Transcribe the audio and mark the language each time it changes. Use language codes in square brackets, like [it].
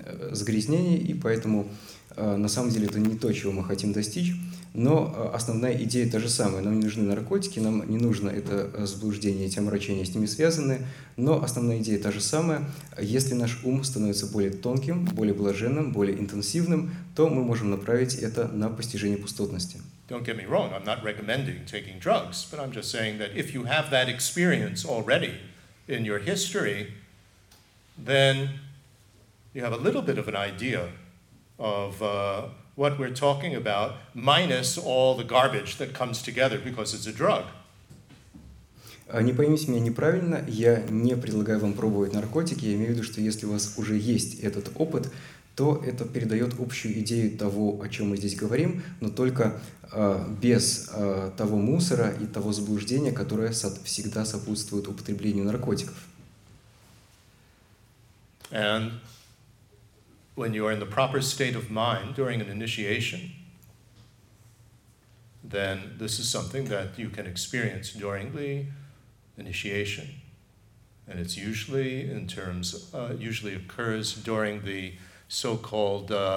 [ru] загрязнений, и поэтому на самом деле это не то, чего мы хотим достичь, но основная идея та же самая. Нам не нужны наркотики, нам не нужно это заблуждение, эти омрачения с ними связаны, но основная идея та же самая. Если наш ум становится более тонким, более блаженным, более интенсивным, то мы можем направить это на постижение пустотности. [en] Don't get me wrong, I'm not recommending taking drugs, but I'm just saying that if you have that experience already in your history, then you have a little bit of an idea of what we're talking about, minus all the garbage that comes together because it's a drug. [ru] Не поймите меня неправильно, я не предлагаю вам пробовать наркотики, я имею в виду, что если у вас уже есть этот опыт, то это передает общую идею того, о чем мы здесь говорим, но только без того мусора и того заблуждения, которое всегда сопутствует употреблению наркотиков. [en] And when you are in the proper state of mind during an initiation, then this is something that you can experience during the initiation. And it's usually occurs during the so-called